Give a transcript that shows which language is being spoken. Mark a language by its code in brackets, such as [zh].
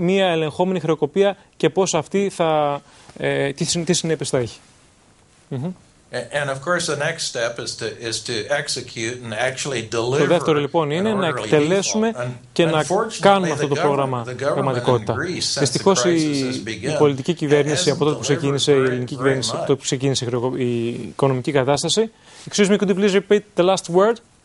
[el] Μια ελεγχόμενη χρεοκοπία και πώς αυτή θα, τι συνέπειες θα έχει. [en] And of course the next step is to execute and actually deliver. [el] Το δεύτερο λοιπόν είναι να εκτελέσουμε και να κάνουμε αυτό το πρόγραμμα πραγματικότητα. Δυστυχώς η πολιτική κυβέρνηση από τότε που ξεκίνησε η ελληνική κυβέρνηση, από τότε που ξεκίνησε η οικονομική κατάσταση. [en] Excuse me, could you please repeat the last word?